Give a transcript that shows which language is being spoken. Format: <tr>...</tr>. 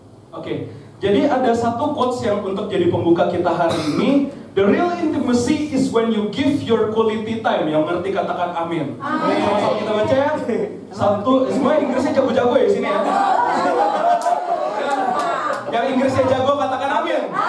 <id>Oke. Jadi ada satu quotes yang untuk jadi pembuka kita hari ini.</id> <en>The real intimacy is when you give your quality time.</en> <id>Yang ngerti katakan amin. Sama-sama kita baca ya. Satu, semua Inggrisnya jago-jago ya sini ya. Yang Inggrisnya jago katakan amin.</id>